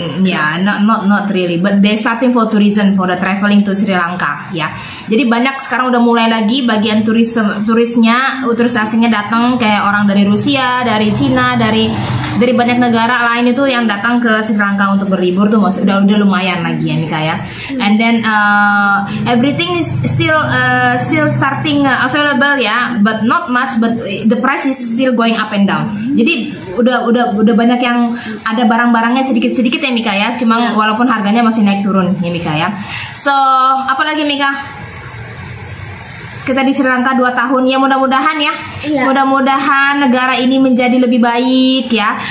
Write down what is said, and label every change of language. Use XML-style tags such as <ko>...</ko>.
<id>Yeah, not really, but they starting for tourism for the traveling to Sri Lanka ya. Yeah. Jadi banyak sekarang udah mulai lagi bagian turis asingnya datang kayak orang dari Rusia, dari Cina, dari banyak negara lain itu yang datang ke Sri Lanka untuk berlibur tuh udah lumayan lagi ya Mika ya.</id> <en>And then everything is still starting available ya, but not much, but the price is still going up and down.</en> <id>Jadi udah banyak yang ada barang-barangnya sedikit-sedikit ya Mika ya. Cuma walaupun harganya masih naik turun ya Mika ya. So, apa lagi Mika? Kita di Sri Lanka 2 tahun ya, mudah-mudahan ya.</id> <en>Yeah.</en> <id>Mudah-mudahan negara ini menjadi lebih baik ya.</id>